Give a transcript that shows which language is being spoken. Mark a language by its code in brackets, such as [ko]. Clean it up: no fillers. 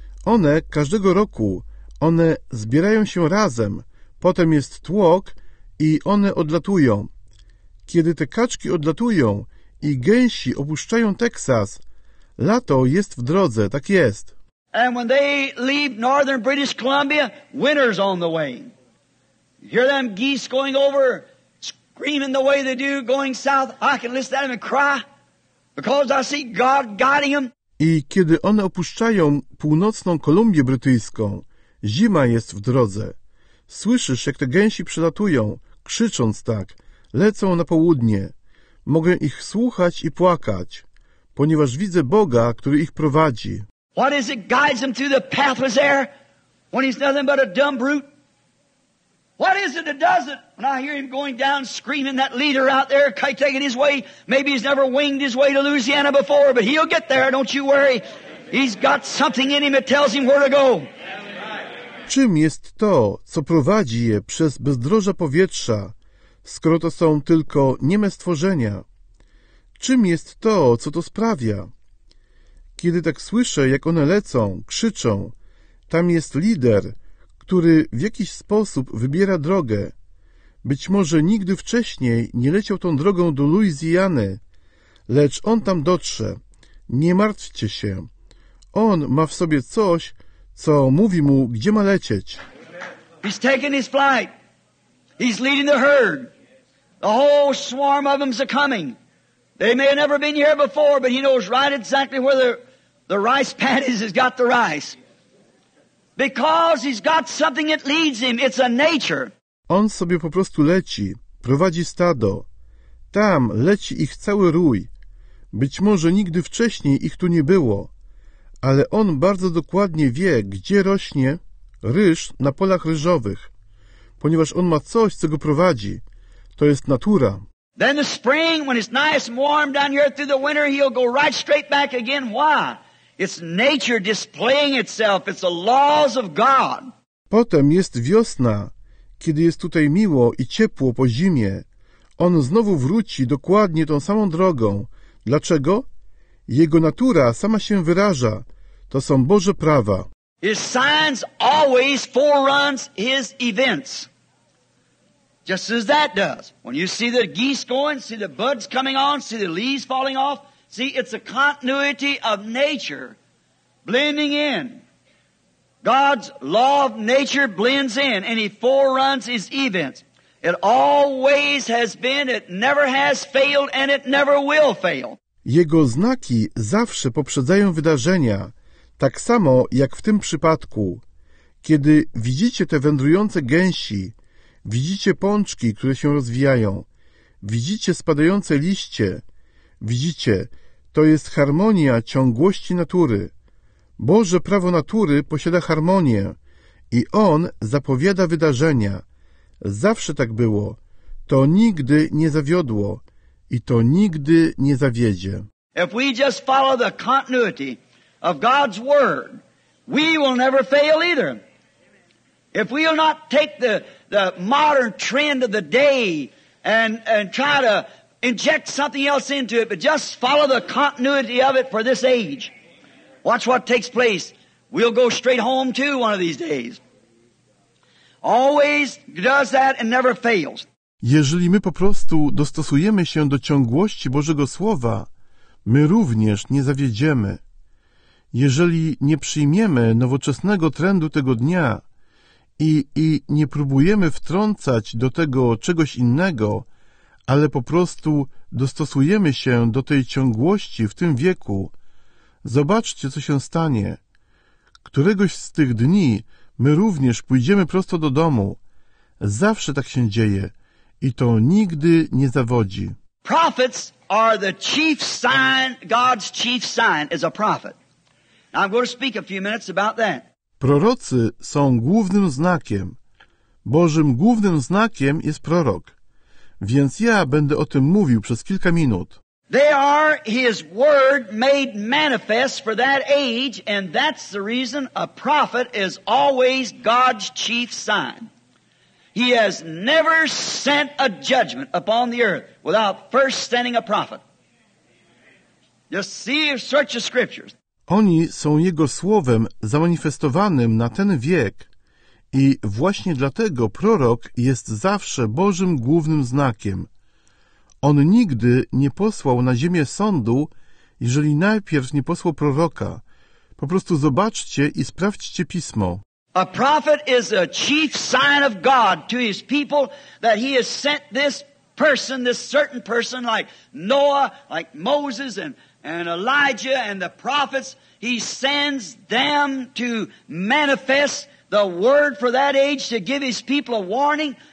[pl] One każdego roku, one zbierają się razem. Potem jest tłok i one odlatują. Kiedy te kaczki odlatują i gęsi opuszczają Teksas, lato jest w drodze, tak jest. [en] And when they leave northern British Columbia, winter's on the way. You hear them geese going over, screaming the way they do, going south. I can listen to them and cry, because I see God guiding them. [pl] I kiedy one opuszczają północną Kolumbię Brytyjską, zima jest w drodze. Słyszysz, jak te gęsi przelatują, krzycząc tak, lecą na południe. Mogę ich słuchać i płakać, ponieważ widzę Boga, który ich prowadzi. [en] What is it guides him through the pathless air when he's nothing but a dumb brute? What is it that does it when I hear him going down screaming, that leader out there taking his way? Maybe he's never winged his way to Louisiana before, but he'll get there, don't you worry. He's got something in him that tells him where to go. [pl] Czym jest to, co prowadzi je przez bezdroża powietrza, skoro to są tylko nieme stworzenia? Czym jest to, co to sprawia? Kiedy tak słyszę, jak one lecą, krzyczą, tam jest lider, który w jakiś sposób wybiera drogę. Być może nigdy wcześniej nie leciał tą drogą do Luizjany, lecz on tam dotrze. Nie martwcie się. On ma w sobie coś, co mówi mu, gdzie ma lecieć. [en] He's taking his flight. He's leading the herd. The whole swarm of them's coming. They may have never been here before, but he knows right exactly where the rice paddies has got the rice. Because he's got something that leads him. It's a nature. [pl] On sobie po prostu leci, prowadzi stado. Tam leci ich cały rój. Być może nigdy wcześniej ich tu nie było. Ale on bardzo dokładnie wie, gdzie rośnie ryż na polach ryżowych. Ponieważ on ma coś, co go prowadzi. To jest natura. [en] Then the spring, when it's nice and warm down here through the winter, he'll go right straight back again. Why? It's nature displaying itself. It's the laws of God. [pl] Potem jest wiosna, kiedy jest tutaj miło i ciepło po zimie. On znowu wróci dokładnie tą samą drogą. Dlaczego? Jego natura sama się wyraża. To są Boże prawa. [en] His signs always foreruns his events. Just as that does. When you see the geese going, see the buds coming on, see the leaves falling off. See, it's a continuity of nature blending in. God's law of nature blends in and He foreruns His events. It always has been, it never has failed, and it never will fail. [pl] Jego znaki zawsze poprzedzają wydarzenia, tak samo jak w tym przypadku. Kiedy widzicie te wędrujące gęsi, widzicie pączki, które się rozwijają, widzicie spadające liście, widzicie, to jest harmonia ciągłości natury. Boże prawo natury posiada harmonię i On zapowiada wydarzenia. Zawsze tak było. To nigdy nie zawiodło i to nigdy nie zawiedzie. [en] If we just follow the continuity of God's word, we will never fail either. If we will not take the modern trend of the day and try to inject something else into it, but just follow the continuity of it for this age. Watch what takes place. We'll go straight home too one of these days. Always does that and never fails. [pl] Jeżeli my po prostu dostosujemy się do ciągłości Bożego Słowa, my również nie zawiedziemy. Jeżeli nie przyjmiemy nowoczesnego trendu tego dnia i nie próbujemy wtrącać do tego czegoś innego, ale po prostu dostosujemy się do tej ciągłości w tym wieku, zobaczcie, co się stanie. Któregoś z tych dni my również pójdziemy prosto do domu. Zawsze tak się dzieje i to nigdy nie zawodzi. [en] Prophets are the chief sign, God's chief sign is a prophet. I'm going to speak a few minutes about that. [pl] Prorocy są głównym znakiem. Bożym głównym znakiem jest prorok. Więc ja będę o tym mówił przez kilka minut. [en] They are His word made manifest for that age, and that's the reason a prophet is always God's chief sign. He has never sent a judgment upon the earth without first sending a prophet. Just see if search the scriptures. [pl] Oni są Jego słowem zamanifestowanym na ten wiek i właśnie dlatego prorok jest zawsze Bożym głównym znakiem. On nigdy nie posłał na ziemię sądu, jeżeli najpierw nie posłał proroka. Po prostu zobaczcie i sprawdźcie Pismo. [en] A prophet is a chief sign of God to His people that He has sent this person, this certain person like Noah, like Moses and Elijah and the prophets. He sends them to manifest the word for that age to give His people a warning.